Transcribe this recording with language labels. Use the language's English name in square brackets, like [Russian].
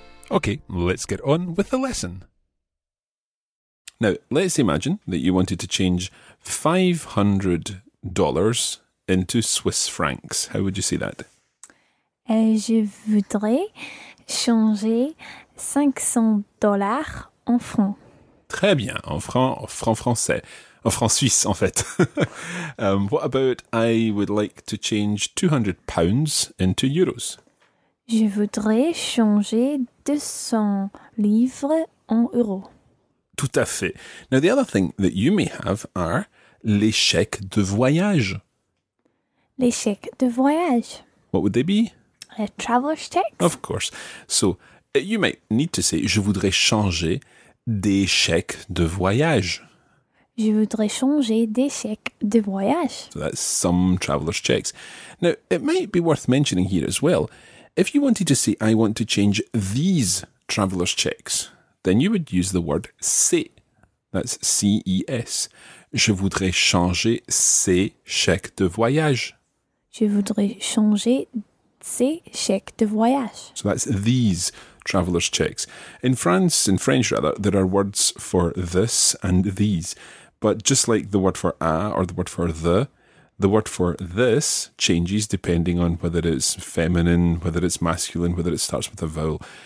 [English] Okay, let's get on with the lesson. Now, let's imagine that you wanted to change $500 into Swiss francs. How would you say that? [French] Je voudrais changer $500 en francs. Très bien, en francs, en francs français, en francs suisses, en fait. [English] What about I would like to change £200 into euros? [French] Je voudrais changer 200 livres en euros. Tout à fait. [English] Now, the other thing that you may have are [French] les chèques de voyage. Les chèques de voyage. [English] What would they be? A traveler's check. Of course. So, you might need to say, [French] je voudrais changer des chèques de voyage. Je voudrais changer des chèques de voyage. [English] So, that's some traveler's checks. Now, it might be worth mentioning here as well, if you wanted to say, I want to change these traveler's checks, then you would use the word ces. That's C-E-S. [French] Je voudrais changer ces chèques de voyage. Je voudrais changer ces chèques de voyage. [English] So that's these traveler's checks. In France, in French rather, there are words for this and these. But just like the word for a or the word for the, the word for this changes depending on whether it's feminine, whether it's masculine, whether it starts with a vowel.